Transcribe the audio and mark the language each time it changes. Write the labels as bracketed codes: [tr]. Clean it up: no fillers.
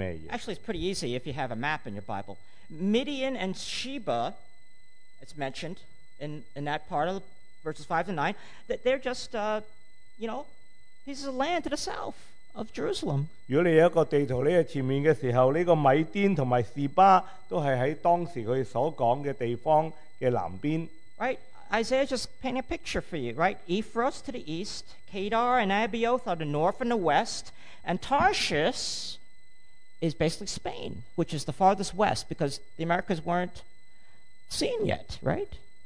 [en] Actually, it's pretty easy if you have a map in your Bible. Midian and Sheba, it's mentioned in that part of verses 5 to 9, that they're just, you know, pieces of land to the south of Jerusalem. [zh] 如果你有一个地图在前面的时候，这个米甸和士巴都是在当时他所讲的地方的南边。 [en] Right? Isaiah just painting a picture for you, right? Ephros to the east, Kedar and Abioth are the north and the west, and Tarshish is basically Spain, which is the farthest west because the Americas weren't seen yet, right?